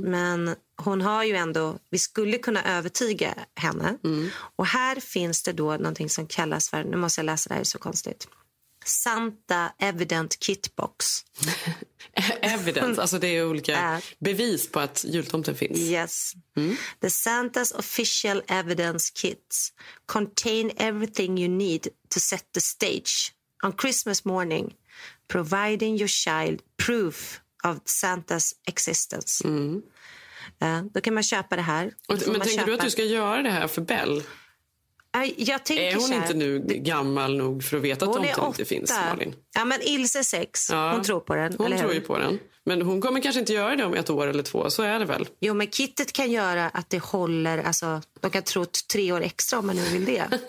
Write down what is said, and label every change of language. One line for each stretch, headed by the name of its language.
Swedish: Men hon har ju ändå, vi skulle kunna övertyga henne. Mm. Och här finns det då någonting som kallas för, nu måste jag läsa det här, det är så konstigt.
English: Santa Evident Kitbox.
Swedish: Evidence, alltså det är olika bevis på att jultomten finns. Yes. Mm.
English: The Santa's official evidence kits contain everything you need to set the stage on Christmas morning, providing your child proof of Santa's existence.
Swedish: Mm. Då kan man köpa det här. Men tänker du att du ska göra det här för Belle? Jag tänker, är hon så här, inte nu gammal nog för att veta att tomten inte finns, Malin? Ja, men Ilse 6, ja, hon tror på den. Hon, eller tror ju på den. Men hon kommer kanske inte göra det om ett år eller två, så är det väl. Jo, men kittet kan göra att det håller, alltså, de kan tro 3 år extra om man nu vill det.